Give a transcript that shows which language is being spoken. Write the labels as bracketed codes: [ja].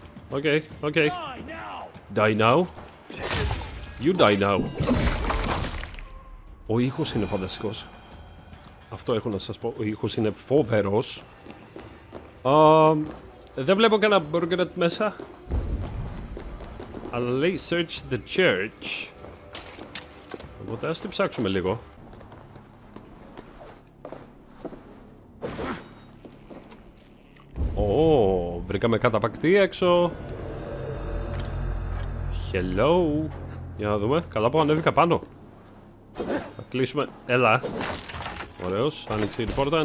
[en] Okay. Die now. You die now. [el] Ο ήχος είναι φανταστικός. Αυτό έχω να σας πω. Ο ήχος είναι φοβερός. Δεν βλέπω κανένα μπουργκερ μέσα. Αλλά λέει [en] search the church. [el] Οπότε ας την ψάξουμε λίγο. Βρήκαμε καταπακτή έξω. Hello. Για να δούμε. Καλά που ανέβηκα πάνω. Θα κλείσουμε. Έλα. Ωραίος. Άνοιξε την πόρτα.